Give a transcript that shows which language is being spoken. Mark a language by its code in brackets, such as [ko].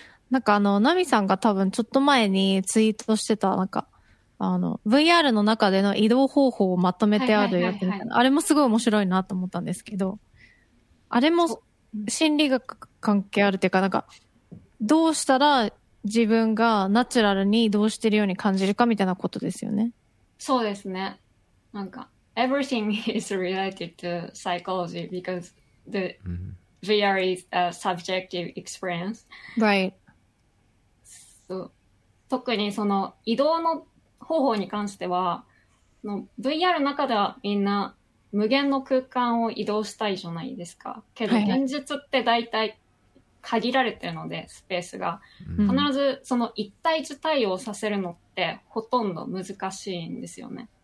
[ja] なんかあの、ナミさんが多分ちょっと前にツイートしてた、なんか、あの、VR の中での移動方法をまとめてあるやつ、あれもすごい面白いなと思ったんですけど、あれも心理学関係あるっていうか、なんか、どうしたら自分がナチュラルに移動してるように感じるかみたいなことですよね。そうですね。なんか、 [en] everything is related to psychology because the VR is a subjective experience. Right. [ja] そう。特にその移動の方法に関しては、の VR の中ではみんな無限の空間を移動したいじゃないですか。けど現実って大体限られてるので、はい、スペースが。必ずその一対一対応させるのってほとんど難しいんですよね。